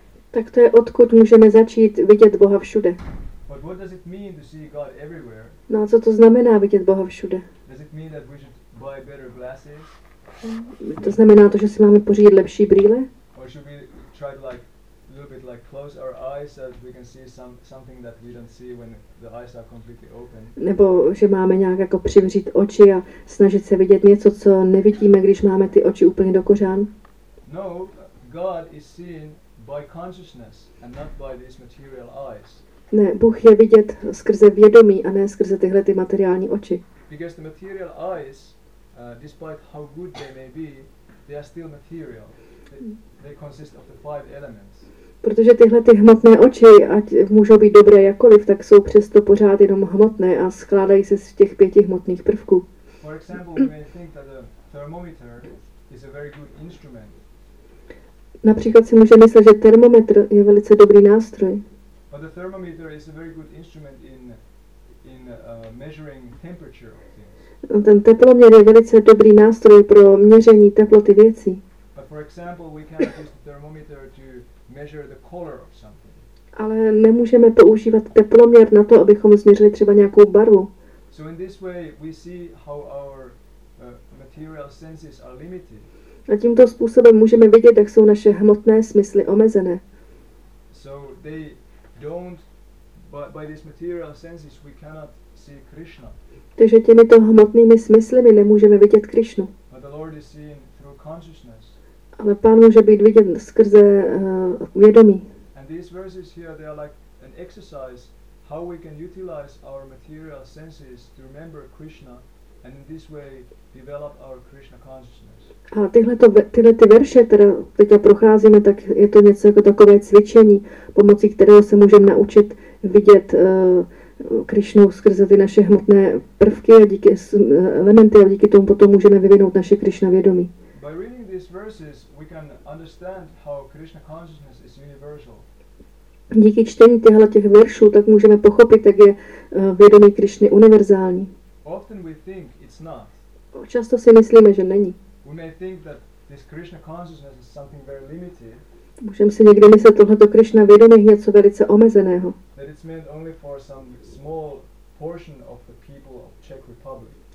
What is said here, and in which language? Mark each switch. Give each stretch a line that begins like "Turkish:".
Czech: Tak to je, odkud můžeme začít vidět Boha všude.
English: But what does it mean to see God everywhere?
Czech: No a co to znamená vidět Boha všude?
English: Does it mean that we should buy better glasses?
Czech: To znamená to, že si máme pořídit lepší brýle?
English: Or should we try to like a little bit like close our eyes so that we can see something that we don't see when the eyes are completely open?
Czech: Nebo že máme nějak jako přivřít oči a snažit se vidět něco, co nevidíme, když máme ty oči úplně do kořán?
English: No, God is seen by consciousness and not by these material eyes.
Czech: Ne, Bůh je vidět skrze vědomí a ne skrze tyhle ty materiální oči.
English: Because the material eyes, despite how good they may be, they are still material. They consist of the five elements.
Czech: Protože tyhle ty hmotné oči, ať můžou být dobré jakoliv, tak jsou přesto pořád jenom hmotné a skládají se z těch pěti hmotných prvků.
English: For example, we may think that a thermometer is a very good instrument.
Czech: Například si můžeme myslet, že termometr je velice dobrý nástroj.
English: But the thermometer is a very good instrument in measuring temperature of things.
Czech: Ten teploměr je velice dobrý nástroj pro měření teploty věcí.
English: But for example, we can't use the thermometer to measure the color of something.
Czech: Ale nemůžeme používat teploměr na to, abychom změřili třeba nějakou barvu.
English: So in this way we see how our material senses are limited.
Czech: A tímto způsobem můžeme vidět, jak jsou naše hmotné smysly omezené.
English: So they don't, by these material senses we cannot see Krishna.
Czech: Takže těmito hmotnými smysly my nemůžeme vidět Krishnu.
English: But the Lord is seen through consciousness.
Czech: Ale Pán může být vidět skrze vědomí.
English: And these verses here, they are like an exercise how we can utilize our material senses to remember Krishna. And in this way develop our Krishna consciousness.
Czech: A tyhle ty verše, které teď procházíme, tak je to něco jako takové cvičení, pomocí kterého se můžeme naučit vidět Krishnu skrze ty naše hmotné prvky a díky elementy a díky tomu potom můžeme vyvinout naše Krishna vědomí.
English: By reading these verses we can understand how Krishna consciousness is universal.
Czech: Díky čtení těch veršů tak můžeme pochopit, jak je vědomí Krishny univerzální.
English: Often we think it's not.
Czech: Často si myslíme, že není.
English: We may think that this Krishna consciousness is something very limited.
Czech: Můžeme si někdy myslet, tohleto Krishna vědomí je něco velice omezeného.
English: That it's meant only for some small portion of the people of Czech Republic.